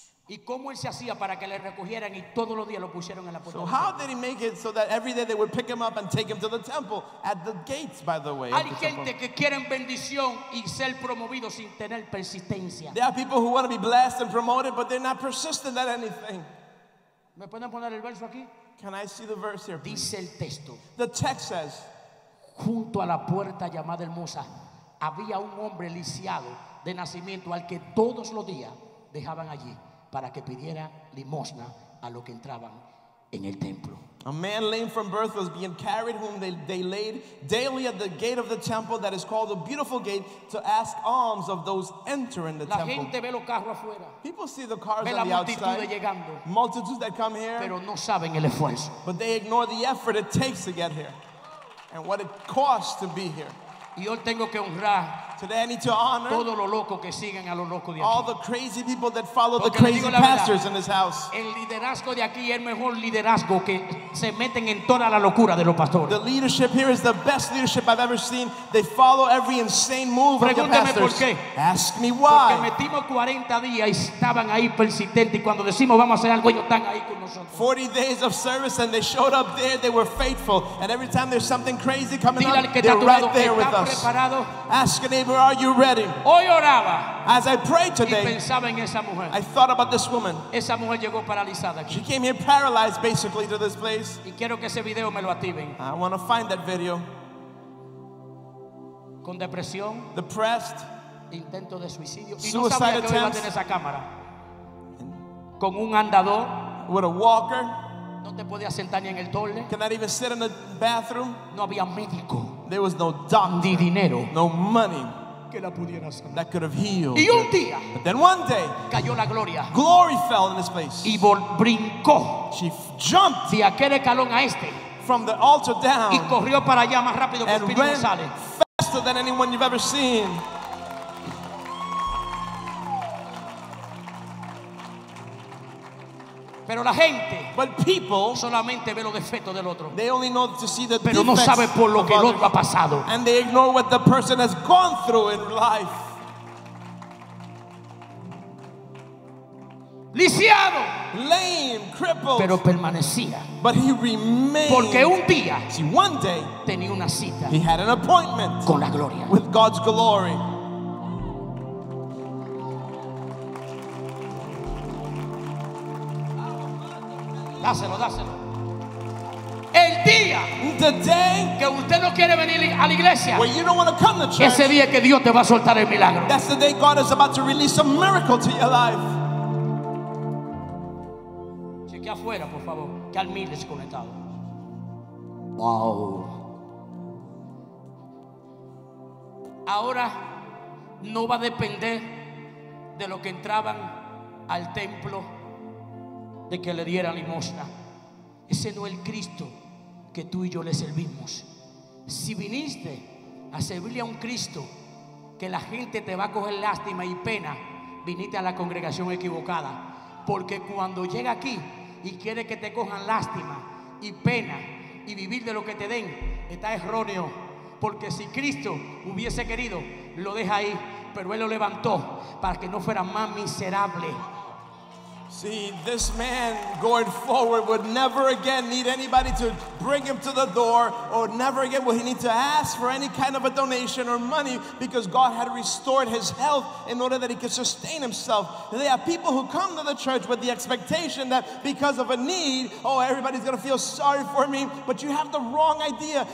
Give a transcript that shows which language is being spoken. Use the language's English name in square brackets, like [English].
[Spanish] ¿Y cómo él se hacía para que le recogieran y todos los días lo pusieran en la puerta? [English] So how did he make it so that every day they would pick him up and take him to the temple at the gates, by the way? [Spanish] Hay gente que quieren bendición y ser promovido sin tener persistencia. [English] There are people who want to be blessed and promoted, but they're not persistent at anything. [Spanish] ¿Me pueden poner el verso aquí? [English] Can I see the verse here, please? [Spanish] Dice el texto. [English] The text says, [Spanish] junto a la puerta llamada Hermosa había un hombre lisiado de nacimiento al que todos los días dejaban allí para que pidiera limosna a los que entraban en el templo. [English] A man lame from birth was being carried, whom they laid daily at the gate of the temple that is called the beautiful gate, to ask alms of those entering the temple. [Spanish] La gente ve los carros afuera. [English] People see the cars [Spanish] ve [English] on the outside [Spanish] llegando. [English] Multitudes that come here, [Spanish] pero no saben el esfuerzo. [English] But they ignore the effort it takes to get here and what it costs to be here. [Spanish] Yo tengo que honrar [English] Today I need to honor [Spanish] todo lo loco que siguen a lo loco de aquí. [English] All the crazy people that follow the crazy pastors in his house. [Spanish] El liderazgo de aquí es el mejor liderazgo que se meten en toda la locura de los pastores. [English] The leadership here is the best leadership I've ever seen. They follow every insane move of the pastors. Ask me why. [Spanish] Porque metimos 40 días y estaban ahí persistentes y cuando decimos vamos a hacer algo ellos están ahí con nosotros. [English] 40 days of service and they showed up there. They were faithful. And every time there's something crazy coming up, they're right there with us. Ask a neighbor, are you ready? [Spanish] Hoy oraba. [English] As I prayed today, [Spanish] y pensaba en esa mujer. [English] I thought about this woman. [Spanish] Esa mujer llegó paralizada aquí. [English] She came here paralyzed basically to this place. [Spanish] Y quiero que ese video me lo activen. [English] I want to find that video. [Spanish] Con depresión. [English] Depressed. [Spanish] Intento de suicidio. [English] Suicide [Spanish] y no sabía [English] attempts. [Spanish] Que iba a tener esa cámara. Con un andador. [English] With a walker. [Spanish] No te podía sentar ni en el toilet. [English] Cannot even sit in the bathroom. [Spanish] No había médico. [English] There was no doctor. [Spanish] Ni dinero. [English] No money. [Spanish] Que la pudiera sanar. [English] That could have healed. [Spanish] Y un día. [English] But then one day. [Spanish] Cayó la gloria. [English] Glory fell in this place. [Spanish] Y brincó. [English] She jumped. [Spanish] De aquel escalón a este. [English] From the altar down. [Spanish] Y corrió para allá más rápido que el Espíritu sale. [English] And ran faster than anyone you've ever seen. [Spanish] Pero la gente, [English] but people, [Spanish] solamente ve los defectos del otro. [English] They only know to see the [Spanish] pero no sabe por lo que el otro ha pasado. [English] And they ignore what the person has gone through in life. [Spanish] Lisiado, [English] lame, crippled. [Spanish] Pero permanecía. [English] But he remained. [Spanish] Porque un día, [English] see, one day, [Spanish] tenía una cita. [English] He had an appointment [Spanish] con la gloria. [English] With God's glory. [Spanish] Dáselo, dáselo. El día que usted no quiere venir a la iglesia, [English] where you don't want to come to church, [Spanish] ese día que Dios te va a soltar el milagro. [English] That's the day God is about to release a miracle to your life. [Spanish] Chequea afuera, por favor, que al mil desconectado. Wow. Ahora no va a depender de lo que entraban al templo. De que le diera limosna. Ese no es el Cristo que tú y yo le servimos. Si viniste a servirle a un Cristo que la gente te va a coger lástima y pena, viniste a la congregación equivocada. Porque cuando llega aquí y quiere que te cojan lástima y pena y vivir de lo que te den, está erróneo. Porque si Cristo hubiese querido, lo deja ahí, pero Él lo levantó para que no fuera más miserable. [English] See, this man going forward would never again need anybody to bring him to the door, or never again would he need to ask for any kind of a donation or money, because God had restored his health in order that he could sustain himself. There are people who come to the church with the expectation that because of a need, oh, everybody's going to feel sorry for me, but you have the wrong idea.